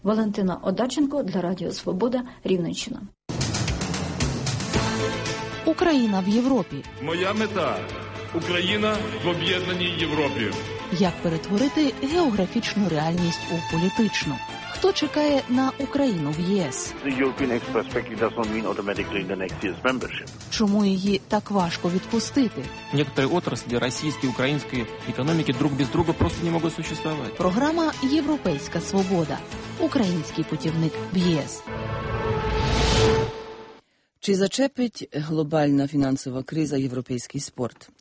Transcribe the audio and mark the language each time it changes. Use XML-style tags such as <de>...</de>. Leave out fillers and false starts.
<uk>Валентина Одарченко для Радіо Свобода, Рівненщина. Україна в Європі. Моя мета – Україна в об'єднаній Європі. Як перетворити географічну реальність у політичну? Хто чекає на Україну в ЄС?</uk> <en>The European Express Package doesn't mean automatically the next year's membership.</en> <uk>Чому її так важко відпустити? Некоторі отраслі російської, української економіки друг без друга просто не можуть существувати. Програма «Європейська свобода». Український путівник в ЄС. Чи зачепить глобальна фінансова криза європейський спорт?</uk>